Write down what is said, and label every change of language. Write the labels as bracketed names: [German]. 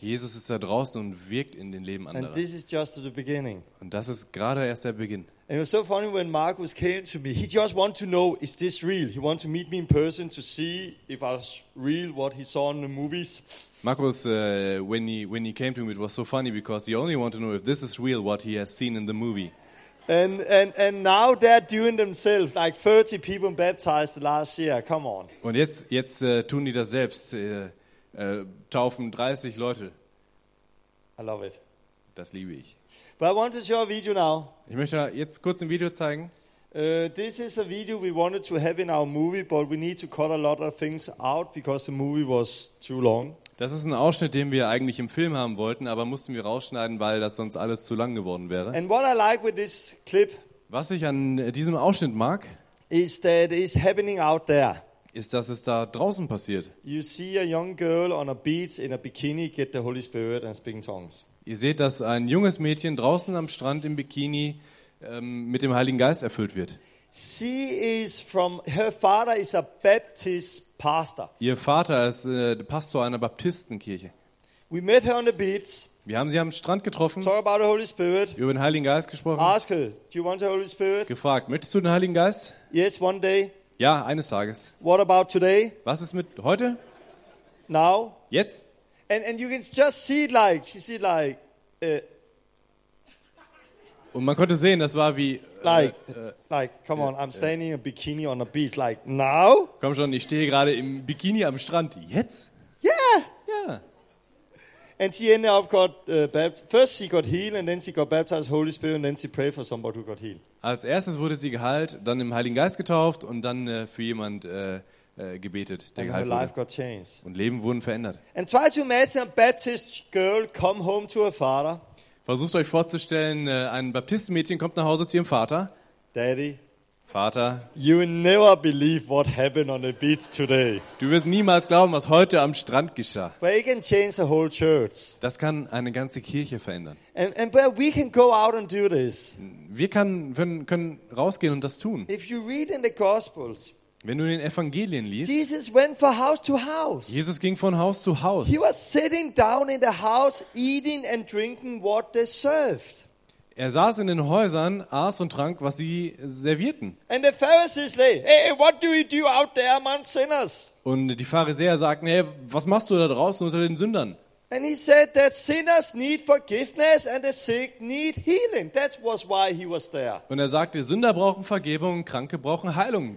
[German] Jesus ist da draußen und wirkt in den Leben anderer. [English] And this is just the beginning. [German] Und das ist gerade erst der Beginn. [English] And it was so funny when Marcus came to me. He just wanted to know, is this real? He wanted to meet me in person to see if I was real, what he saw in the movies. Marcus, when he came to me, it was so funny because he only wanted to know if this is real, what he has seen in the movie. And now they're doing themselves, like 30 people baptized last year. Come on. [German] Und jetzt tun die das selbst, taufen 30 Leute. [English] I love it. [German] Das liebe ich. [English] But I want to show a video now. [German] Ich möchte jetzt kurz ein Video zeigen. [English] This is a video we wanted to have in our movie, but we need to cut a lot of things out because the movie was too long. [German] Das ist ein Ausschnitt, den wir eigentlich im Film haben wollten, aber mussten wir rausschneiden, weil das sonst alles zu lang geworden wäre. [English] And what I like with this clip, [German] was ich an diesem Ausschnitt mag, [English] is that it's happening out there. [German] Ist, dass es da draußen passiert. [English] You see a young girl on a beach in a bikini get the Holy Spirit and speak in tongues. [German] Ihr seht, dass ein junges Mädchen draußen am Strand im Bikini mit dem Heiligen Geist erfüllt wird. [English] She is from, her father is a Baptist pastor. [German] Ihr Vater ist Pastor einer Baptistenkirche. [English] We met her on the beach. [German] Wir haben sie am Strand getroffen. [English] Talk about the Holy Spirit. [German] Über den Heiligen Geist gesprochen. [English] Ask her, do you want the Holy Spirit? [German] Gefragt, möchtest du den Heiligen Geist? [English] Yes, one day. [German] Ja, eines Tages. [English] What about today? [German] Was ist mit heute? [English] Now. [German] Jetzt. [English] And you can just see it like she see like [German] und man konnte sehen, das war wie [English] come on, I'm standing in a bikini on a beach like now. [German] Komm schon, ich stehe gerade im Bikini am Strand. Jetzt? [English] Yeah. Yeah. And she ended up got first she got healed and then she got baptized Holy Spirit and then she prayed for somebody who got healed. [German] Als erstes wurde sie geheilt, dann im Heiligen Geist getauft und dann für jemand gebetet, der [English] her life got changed. [German] Und Leben wurden verändert. [English] And try to imagine a Baptist girl come home to her father. [German] Versucht euch vorzustellen, ein Baptistenmädchen kommt nach Hause zu ihrem Vater. [English] Daddy. [German] Vater. [English] You will never believe what happened on the beach today. [German] Du wirst niemals glauben, was heute am Strand geschah. [English] But it can change the whole church. [German] Das kann eine ganze Kirche verändern. [English] And but we can go out and do this. [German] Wir können rausgehen und das tun. [English] If you read in the Gospels. [German] Wenn du in den Evangelien liest, [English] Jesus went from house to house. [German] Jesus ging von Haus zu Haus. [English] He was sitting down in the house, eating and drinking what they served. [German] Er saß in den Häusern, aß und trank, was sie servierten. [English] And the Pharisees say, hey, what do you do out there among sinners? [German] Und die Pharisäer sagten, hey, was machst du da draußen unter den Sündern? [English] And he said that sinners need forgiveness and the sick need healing. That was why he was there. [German] Und sagte, Sünder brauchen Vergebung, Kranke brauchen Heilung.